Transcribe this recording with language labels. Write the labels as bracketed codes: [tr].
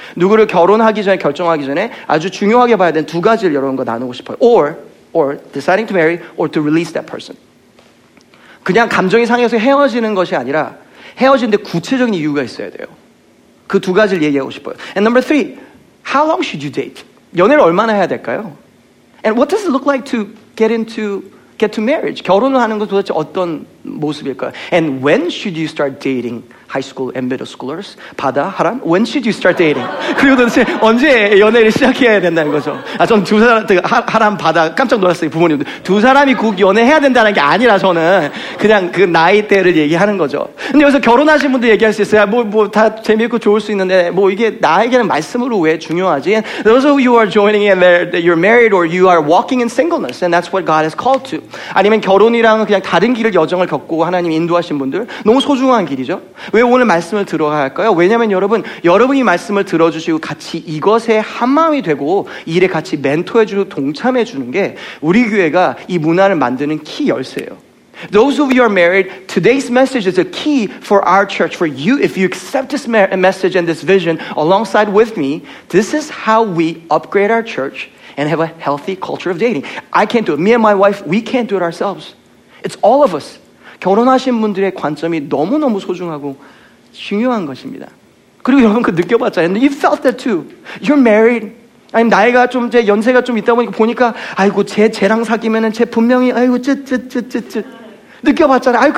[ko] 누구를 결혼하기 전에 결정하기 전에 아주 중요하게 봐야 되는 두 가지를 여러분과 나누고 싶어요. [en] Or deciding to marry or to release that person. [ko] 그냥 감정이 상해서 헤어지는 것이 아니라 헤어지는데 구체적인 이유가 있어야 돼요. 그 두 가지를 얘기하고 싶어요. [en] And number three, how long should you date? [ko] 연애를 얼마나 해야 될까요? [en] And what does it look like to get to marriage? [ko] 결혼을 하는 건 도대체 어떤 모습일까요? [en] And when should you start dating high school and middle schoolers? 바다, 하람? When should you start dating? [ko] 그리고 도대체 언제 연애를 시작해야 된다는 거죠? 아, 저는 두 사람, 하람, 바다 깜짝 놀랐어요, 부모님들. 두 사람이 꼭 연애해야 된다는 게 아니라 저는 그냥 그 나이대를 얘기하는 거죠. 근데 여기서 결혼하신 분들 얘기할 수 있어요. 다 재미있고 좋을 수 있는데 뭐 이게 나에게는 말씀으로 왜 중요하지? [en] And those of you who are joining in there, that you're married or you are walking in singleness and that's what God has called to. [ko] 아니면 결혼이랑은 그냥 다른 길을 여정을 겪고 하나님 인도하신 분들 너무 소중한 길이죠. 왜 오늘 말씀을 들어야 할까요? 왜냐하면 여러분이 말씀을 들어주시고 같이 이것에 한마음이 되고 일에 같이 멘토해주고 동참해주는 게 우리 교회가 이 문화를 만드는 키 열쇠예요. [en] Those of you are married, today's message is a key for our church, for you. If you accept this message and this vision alongside with me, this is how we upgrade our church and have a healthy culture of dating. I can't do it. Me and my wife, we can't do it ourselves. It's all of us. [ko] 결혼하신 분들의 관점이 너무너무 소중하고 중요한 것입니다. 그리고 여러분 그 느껴봤잖아요. [en] And you felt that too. You're married. [ko] 아니 나이가 좀 제 연세가 좀 있다 보니까 아이고 쟤랑 사귀면은 쟤 분명히 아이고 쯧쯧쯧쯧쯧 느껴봤잖아요.